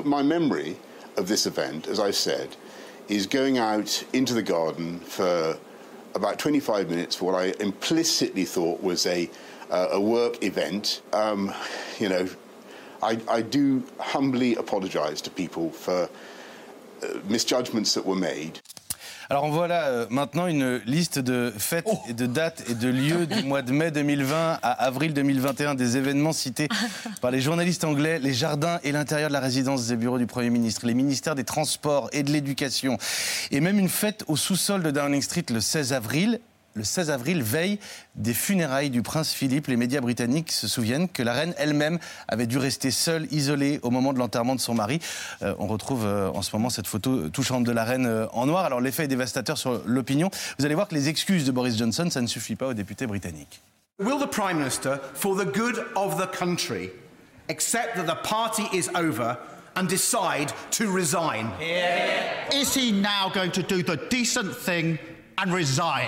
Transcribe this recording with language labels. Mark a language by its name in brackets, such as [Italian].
[English] My memory of this event, as I've said, is going out into the garden for about 25 minutes for what I implicitly thought was a work event. You know, I do humbly apologize to people for misjudgments that were made. [French] Alors on voit là maintenant une liste de fêtes et de dates et de lieux du mois de mai 2020 à avril 2021, des événements cités par les journalistes anglais, les jardins et l'intérieur de la résidence des bureaux du Premier ministre, les ministères des Transports et de l'Éducation, et même une fête au sous-sol de Downing Street le 16 avril. Le 16 avril, veille des funérailles du prince Philippe, les médias britanniques se souviennent que la reine elle-même avait dû rester seule, isolée, au moment de l'enterrement de son mari. On retrouve en ce moment cette photo touchante de la reine en noir. Alors l'effet est dévastateur sur l'opinion. Vous allez voir que les excuses de Boris Johnson, ça ne suffit pas aux députés britanniques. [English] Will the Prime Minister, for the good of the country, accept that the party is over and decide to resign? Yeah. Is he now going to do the decent thing and resign?